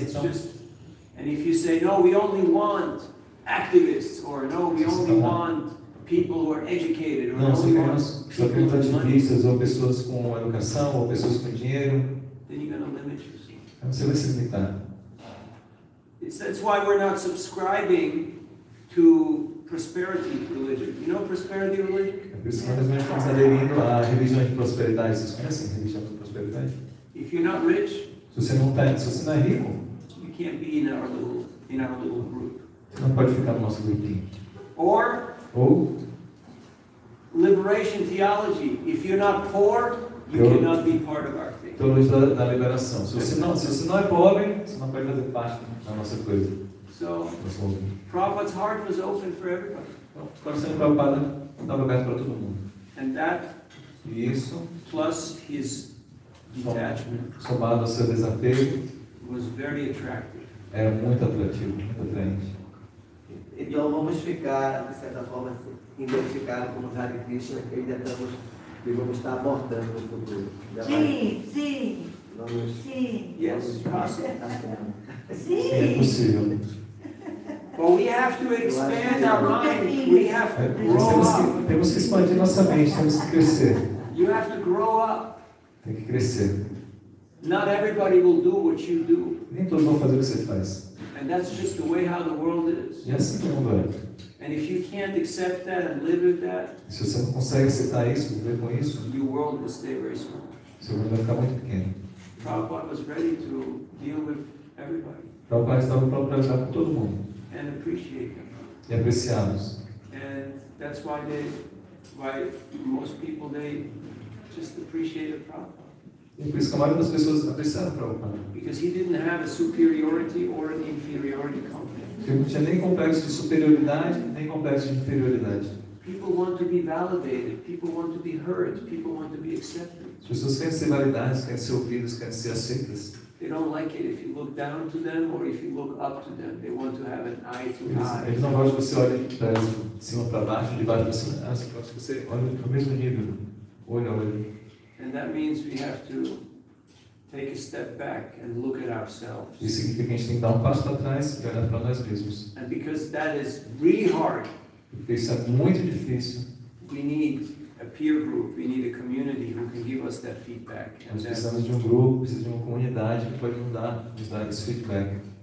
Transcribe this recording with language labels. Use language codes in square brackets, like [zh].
[en] It's just, and if you say no, we only want activists, or no, we only want people who are educated, or no, we only want people with money, [pt] ou pessoas com educação, ou pessoas com dinheiro. [en] Then you're gonna limit you. [pt] Você vai se limitar. [en] That's why we're not subscribing to prosperity religion. You know prosperity religion? [pt] Nós não estamos aderindo à religião de prosperidade. Vocês conhecem a religião de prosperidade? [en] If you're not rich, [pt] se você não é rico, [en] you can't be in our little group. [pt] Você não pode ficar no nosso grupinho. [en] Or, [pt] ou [en] liberation theology. If you're not poor, you cannot be part of our. [pt] Teologia da liberação. Se você não é pobre, você não pode fazer parte da nossa coisa. [en] So, Prabhupada's heart was open for everybody. [pt] O coração de Prabhupada estava aberto para todo mundo. [en] And that, [pt] e isso, [en] plus his detachment, [pt] somado ao seu desapego, [en] was very attractive. [pt] Era muito atrativo, muito atraente. Então vamos ficar, de certa forma, identificados como Hare Krishna, que ainda estamos. E vamos estar abordando o futuro. Sim. É possível. [en] But we have to expand our mind. We have to grow up. [pt] Temos que expandir nossa mente, temos que crescer. [en] You have to grow up. [pt] Tem que crescer. [en] Not everybody will do what you do. [pt] Nem todos vão fazer o que você faz. [en] And that's just the way how the world is. [pt] E assim que o mundo é. [en] And if you can't accept that and live with that, [pt] se você não consegue aceitar isso, viver com isso, [en] your world will stay very small. [pt] Seu mundo vai ficar muito pequeno. [en] Prabhupada was ready to deal with everybody. [pt] Prabhupada estava pronto para lidar com todo mundo. [en] And appreciate them. [pt] E apreciá-los. [en] And that's why why most people they just appreciate Prabhupada. [pt] E por isso que a maioria das pessoas apreciaram o Prabhupada. [en] Because he didn't have a superiority or an inferiority complex. [pt] Porque ele não tinha nem complexo de superioridade, nem complexo de inferioridade. [en] People want to be validated, people want to be heard, people want to be accepted. [pt] As pessoas querem ser validadas, querem ser ouvidas, querem ser aceitas. [en] They don't like it if you look down to them or if you look up to them. They want to have an eye to eye. [pt] Eles não gostam que você olhe de cima para baixo, de baixo para cima. Eles gostam que você olhe para o mesmo nível, olho a olho. [en] And that means we have to take a step back and look at ourselves. [pt] Isso significa que a gente tem que dar um passo para trás e olhar para nós mesmos. [en] And because that is really hard. [pt] Porque isso é muito difícil. [en] We need a peer group. We need a community who can give us that feedback. [pt] Nós precisamos de um grupo, precisamos de uma comunidade que pode nos dar esse feedback.